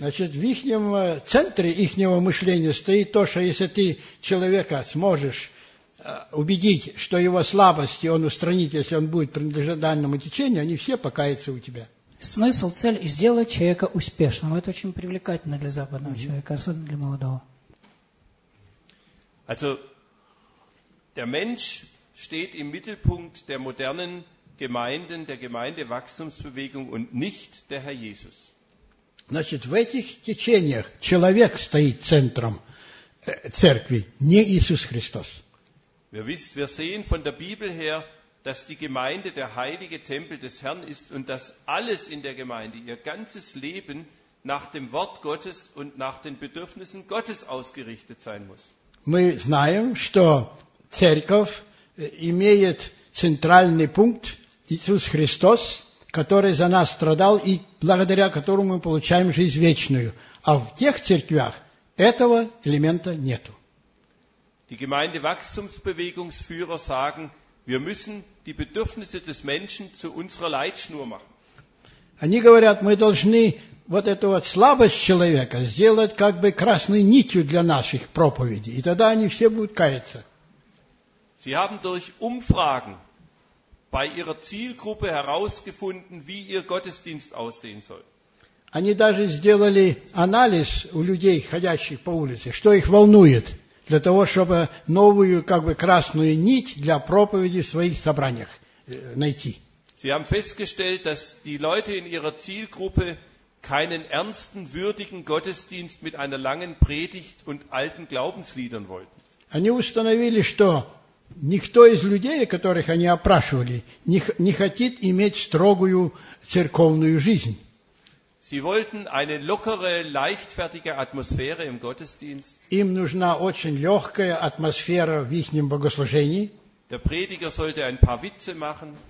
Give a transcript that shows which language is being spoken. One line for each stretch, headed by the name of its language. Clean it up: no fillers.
Russian: Значит, в ихнем центре ихнего мышления стоит то, что если ты человека сможешь убедить, что его слабости он устранит, если он будет принадлежать данному течению, они все покаятся у тебя. Смысл, цель – сделать человека успешным. Это очень привлекательно для западного человека, особенно для молодого.
German: Also, der Mensch steht im Mittelpunkt der modernen Gemeinden, der Gemeindewachstumsbewegung und nicht der Herr Jesus.
Russian: Значит, в этих течениях человек стоит центром церкви, не Иисус Христос.
German: Wir sehen von der Bibel her, dass die Gemeinde der heilige Tempel des Herrn ist und dass alles in der Gemeinde, ihr ganzes Leben, nach dem Wort Gottes und nach den Bedürfnissen Gottes ausgerichtet sein muss.
Russian: Мы знаем, что Церковь имеет центральный пункт Иисус Христос, который за нас страдал и благодаря которому мы получаем жизнь вечную. А в тех церквях этого элемента нету.
German: Die Gemeindewachstumsbewegungsführer sagen, wir müssen die Bedürfnisse des Menschen zu unserer Leitschnur machen.
Russian: Они говорят, мы должны вот эту вот слабость человека сделать как бы красной нитью для наших проповедей, и тогда они все будут каяться.
German: Sie haben durch Umfragen bei ihrer Zielgruppe herausgefunden, wie ihr Gottesdienst aussehen soll.
Russian: Они даже сделали анализ у людей, ходящих по улице, что их волнует, для того, чтобы новую, как бы красную нить для проповеди в своих собраниях найти.
German: Sie haben festgestellt, dass die Leute in ihrer Zielgruppe keinen ernsten, würdigen Gottesdienst mit einer langen Predigt und alten Glaubensliedern wollten.
Russian: Они установили, что никто из людей, которых они опрашивали, не хотит иметь строгую церковную жизнь.
German: Sie wollten eine lockere, leichtfertige Atmosphäre im Gottesdienst.
Russian: Им нужна очень легкая атмосфера в ихнем богослужении.
German: Der Prediger sollte ein paar Witze machen.